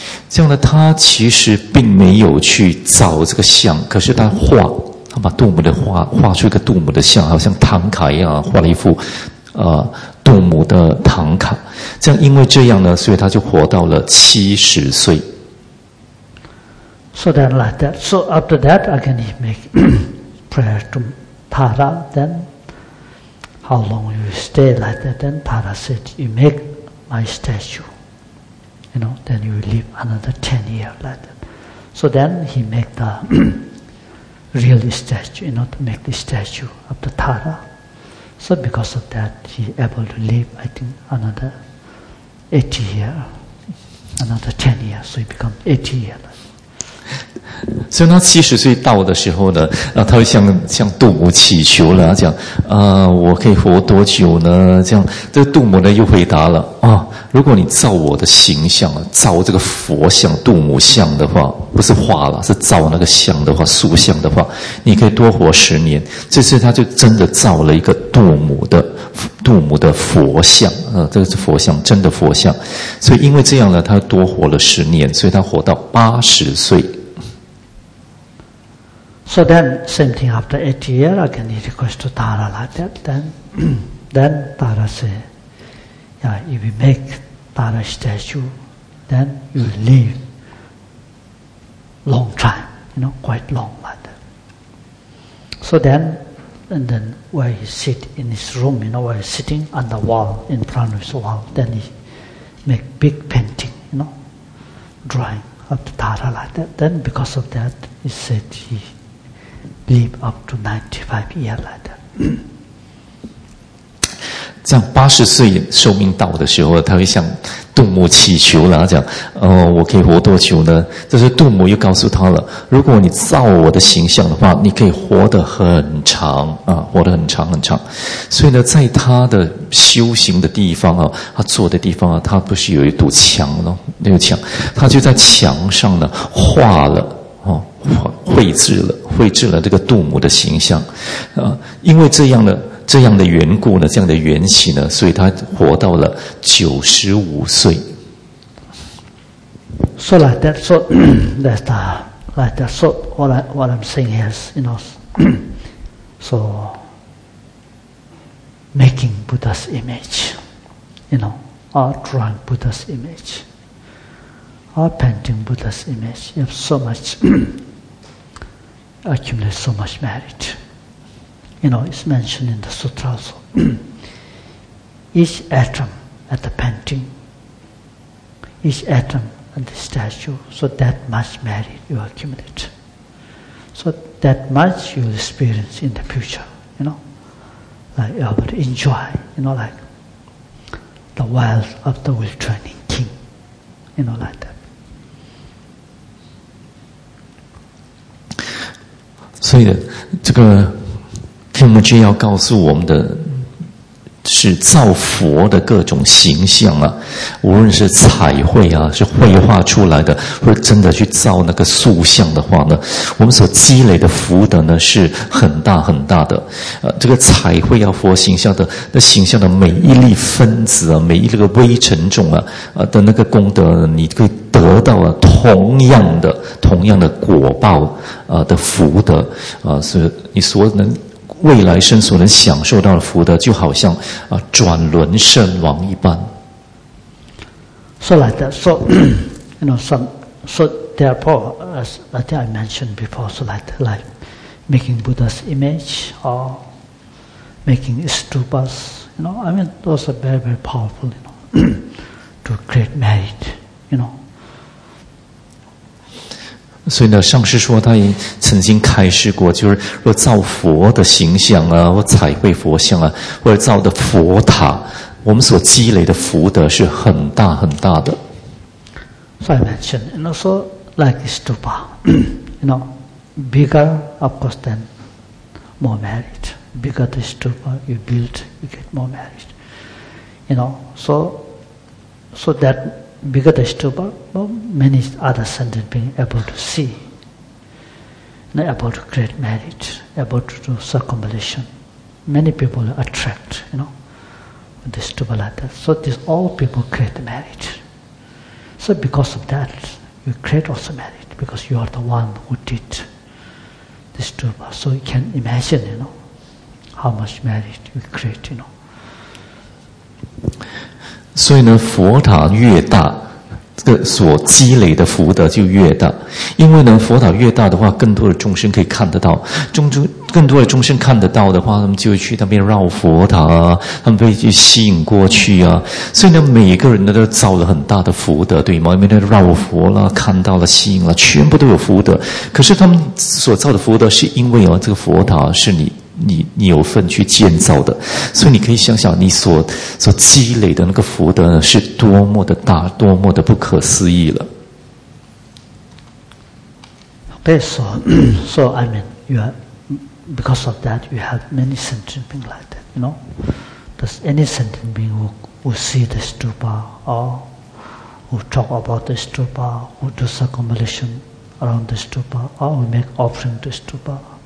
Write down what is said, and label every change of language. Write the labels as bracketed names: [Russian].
[Chinese] 这样呢，他其实并没有去造这个像，可是他画，他把杜母的画出一个杜母的像，好像唐卡一样画了一幅杜母的唐卡。这样因为这样呢，所以他就活到了70岁。 [English] So then like that. So after that, again he make prayer to Tara. Then how long you stay like that? Then Tara said, you make my statue. You know, then you live another 10 years like that. So then he make the real statue, you know, to make the statue of the Tara. So because of that, he able to live, I think, another 80 years, another 10 years, so he become 80 years. [Chinese] 所以他70岁到的时候呢，他会向杜母祈求了，他讲，我可以活多久呢？这样，这杜母呢又回答了，如果你造我的形象，造这个佛像、杜母像的话，不是画了，是造那个像的话、塑像的话，你可以多活10年。这次他就真的造了一个杜母的佛像，这个是佛像，真的佛像。所以因为这样呢，他多活了10年，所以他活到80岁。 [English] So then, same thing after 8 years, again he requests to Tara like that. Then Tara say, yeah, if you make Tara statue, then you live long time, you know, quite long like that. So then where he sit in his room, you know, where he's sitting on the wall, in front of his wall, then he make big painting, you know, drawing of Tara like that. Then because of that, he said he,Live up to 95 years like that. [Chinese] 这样80岁寿命到的时候，他会向杜母祈求了，他讲：“我可以活多久呢？” 这时杜母又告诉他了：“如果你照我的形象的话，你可以活得很长啊，活得很长很长。” 所以呢，在他的修行的地方啊，他坐的地方啊，他不是有一堵墙呢？那个墙，他就在墙上呢画了。绘制了绘制了这个杜母的形象，因为这样的缘故呢，这样的缘起呢，所以他活到了95岁。 [English] So like that, so that, like that. So what I'm saying is, you know, so making Buddha's image, you know, or drawing Buddha's image, or painting Buddha's image, you have so much accumulate so much merit. You know, it's mentioned in the sutra also. Each atom at the painting, each atom. And the statue, so that much merit you accumulate. So that much you experience in the future, you know. Like you will enjoy, you know, like the wealth of the returning king, you know, like that. [Chinese] 所以这个 Kimji 要告诉我们的是造佛的各种形象啊，无论是彩绘啊，是绘画出来的，或者真的去造那个塑像的话呢，我们所积累的福德呢是很大很大的。这个彩绘啊，佛形象的那形象的每一粒分子啊，每一粒个微尘种啊，的那个功德，你可以得到啊同样的果报的福德啊，所以你所能。未来生所能享受到的福德，就好像啊转轮圣王一般。 [English] So like that, so you know, so therefore, as I think I mentioned before, so like making Buddha's image or making stupas, you know, I mean those are very very powerful, you know, to create merit, you know. [Chinese] 所以呢，上师说他也曾经开示过，就是若造佛的形象啊，或彩绘佛像啊，或者造的佛塔，我们所积累的福德是很大很大的。 [English] So I mentioned, you know, so like stupa, you know, bigger of course than more merit. Bigger the stupa you build, you get more merit. You know, so that. Bigger the stupa, well, many other sentient beings able to see, and able to create merit, able to do circumvolution. Many people attract, you know, with the stupa like that. So this all people create merit. So because of that, you create also merit, because you are the one who did the stupa. So you can imagine, you know, how much merit you create, you know. [Chinese] 所以呢，佛塔越大，这个所积累的福德就越大。因为呢，佛塔越大的话，更多的众生可以看得到。更多的众生看得到的话，他们就会去那边绕佛塔啊，他们被去吸引过去啊。所以呢，每个人呢都造了很大的福德，对吗？因为那绕佛了，看到了，吸引了，全部都有福德。可是他们所造的福德，是因为啊，这个佛塔是你有份去建造的，所以你可以想想，你所积累的那个福德是多么的大，多么的不可思议了。 [English] Okay, so I mean, you are, because of that, you have many sentient beings like that, you know. Does any sentient being who see the stupa or who talk about the stupa, who do circumvolution around the stupa, or who make offering to stupa?